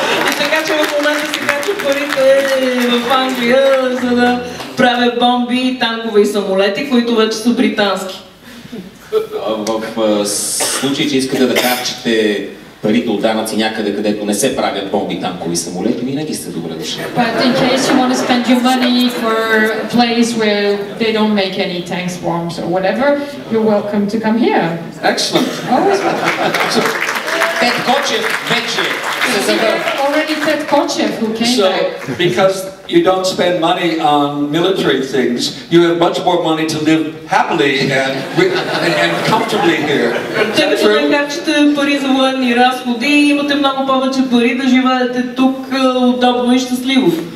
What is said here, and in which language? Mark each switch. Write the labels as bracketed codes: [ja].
[bg] И така че в момента си качвам парите в Англия, за да правя бомби, танкове и самолети, които вече са британски. В случай, че искате да харчите парите от данъци някъде, където не се правят бомби, танкови самолети, винаги сте добре дошли. [en] But in case you want to spend your money for a place where they don't make any tanks, bombs or whatever, you're welcome to come here. Excellent. Always welcome. [bg] Тед Кочев вече. [en] Already Тед Кочев who came so, because you don't spend money on military things, you have much more money to live happily and comfortably here. [bg] Тъй като не харчите пари за военни разходи, имате много повече пари да живеете тук удобно и щастливо.